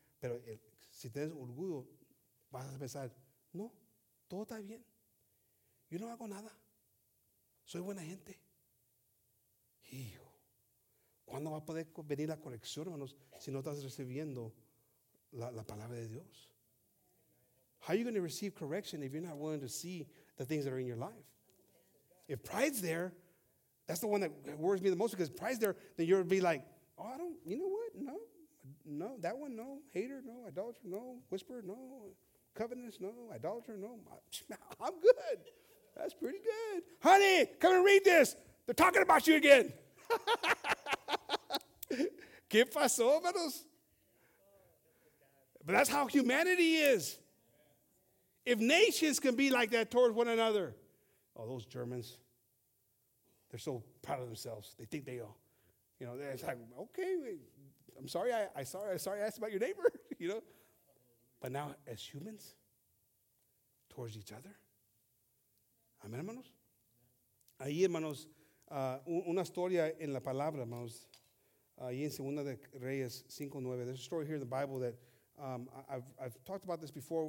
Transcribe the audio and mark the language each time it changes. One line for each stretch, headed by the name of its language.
Spanish: Pero si tienes orgullo, vas a pensar, no, todo está bien. Yo no hago nada. Soy buena gente. Hijo, ¿cuándo va a poder venir la corrección, hermanos, si no estás recibiendo la palabra de Dios?
English: How are you going to receive correction if you're not willing to see the things that are in your life? If pride's there, that's the one that worries me the most, because if pride's there, then you'll be like, oh, I don't, you know what? No, that one, no. Hater, no. Adulterer, no. Whisperer, no. Covetous, no. Idolater, no. I'm good. That's pretty good. Honey, come and read this. They're talking about you again.
Spanish: ¿Qué pasó, hermanos?
English: But that's how humanity is. If nations can be like that towards one another. Oh, those Germans. They're so proud of themselves. They think they are. You know, it's like, okay, I'm sorry I asked about your neighbor, you know. But now, as humans, towards each other.
Spanish: Amén, hermanos. Ahí, hermanos, una historia en la palabra, hermanos. Ahí en Segunda de Reyes 5:9.
English: There's a story here in the Bible that I've talked about this before.